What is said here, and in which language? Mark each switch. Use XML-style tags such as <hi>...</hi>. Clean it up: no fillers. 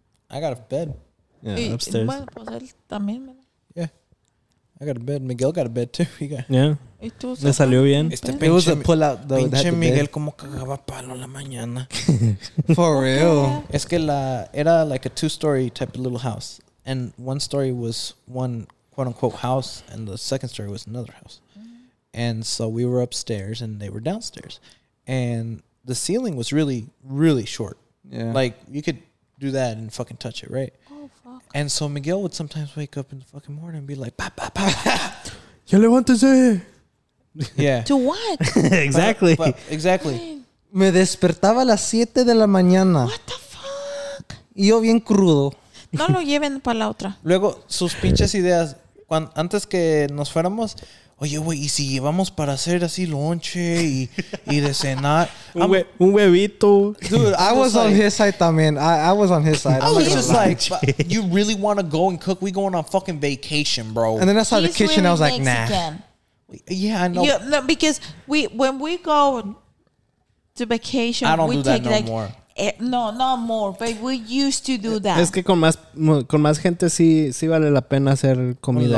<en>I got a bed. Yeah, upstairs.</en> <es>Bueno, pues él también.</es> <en>Yeah. I got a bed. Miguel got a bed too. He got... Yeah.</en> <es>¿Y tú? ¿Le salió bien? Este</es> <en>it was a pull out though.</en> <es>Pinche Miguel como cagaba palo en la mañana.</es> <en>For real. Okay.</en> <es>Es que la era</es> <en>like a two-story type of little house. And one story was one quote-unquote house. And the second story was another house. Mm-hmm. And so we were upstairs and they were downstairs. And the ceiling was really, really short. Yeah. Like, you could do that and fucking touch it, right? Oh, fuck. And so Miguel would sometimes wake up in the fucking morning and be like, pa, pa, pa.</en> <es>Yo levántese.</es> <en>Yeah. To what? Exactly. But exactly.</en> <es>Me despertaba a las 7 de la mañana.</es> <en>What the fuck?</en> <es>Y yo bien crudo. No lo lleven para la otra. Luego, sus pinches ideas. Cuando, antes que nos fuéramos... Oye, güey, ¿y si llevamos para hacer así lonche y de cenar? un huevito.</es> <en>Dude, I was on his side</en> <es>también.</es> <en>I was on his side. I was just like, you really want to go and cook? We going on fucking vacation, bro. And then I saw the kitchen. I was like, nah. Yeah, I know. Yeah, no, because when we go to vacation, I don't we do that take, no more. No, no more, but we used to do that.</en> <es>Es que con más gente sí vale la pena hacer comida</es>